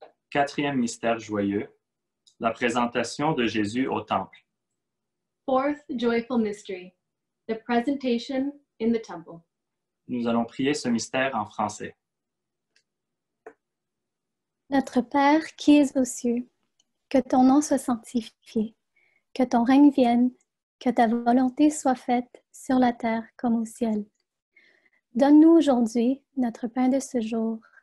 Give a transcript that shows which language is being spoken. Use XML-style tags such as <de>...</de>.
<fr>Quatrième mystère joyeux, la présentation de Jésus au temple.</fr> <en>Fourth joyful mystery, the presentation in the temple.</en> <fr>Nous allons prier ce mystère en français. Notre Père qui es aux cieux, que ton nom soit sanctifié, que ton règne vienne, que ta volonté soit faite sur la terre comme au ciel. Donne-nous aujourd'hui notre pain de ce jour.</fr>